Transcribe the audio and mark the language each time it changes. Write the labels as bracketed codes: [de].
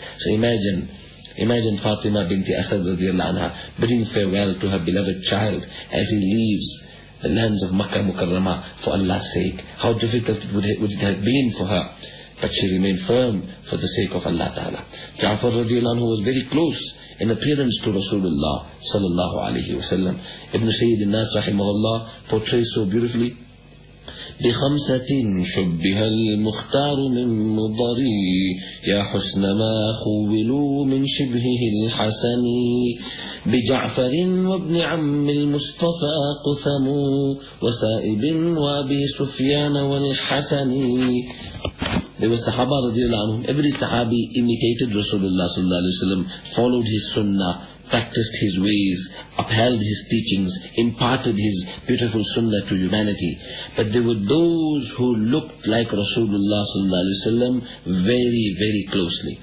[en] So imagine Fatima binti Asad radiallahu anha bidding farewell to her beloved child as he leaves the lands of Makkah Mukarrama for Allah's sake. How difficult would it have been for her? But she remained firm for the sake of Allah ta'ala. Ja'far radiallahu anhu was very close in appearance to Rasulullah sallallahu alayhi wa sallam. Ibn Sayyid al-Nas rahimahullah portrays so beautifully, [ar] بِخَمْسَةٍ شُبِّهَ الْمُخْتَارُ مِنْ مُضَرِي يَا حُسْنَ مَا خُوِّلُوا مِنْ شِبْهِهِ الْحَسَنِي بِجَعْفَرٍ وَابْنِ عَمِّ الْمُصْطَفَى قُثَمُ وَسَائِبٍ وَأَبِي سُفْيَانَ وَالْحَسَنِي. [en] There was Sahaba radiallahu anhum. Every Sahabi imitated Rasulullah sallallahu alayhi wa sallam, followed his sunnah, practiced his ways, upheld his teachings, imparted his beautiful sunnah to humanity. But there were those who looked like Rasulullah sallallahu alayhi wa sallam very, very closely.